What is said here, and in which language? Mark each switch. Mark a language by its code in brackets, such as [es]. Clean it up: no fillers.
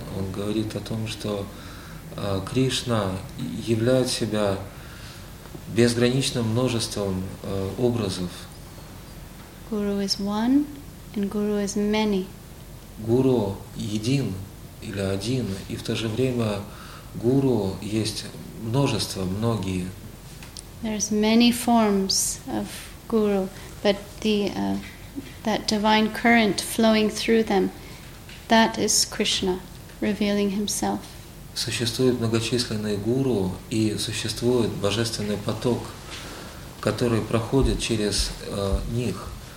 [ru] Он говорит о том, что Кришна являет себя безграничным множеством образов. [en] Guru is one and Guru is many. [ru] Guru един или один, и в то же время Guru есть множество, многие. [en] There's many forms of Guru, but the that divine current flowing through them, that is Krishna revealing himself. [ru] Существуют многочисленные гуру, и существует божественный поток, который проходит через них.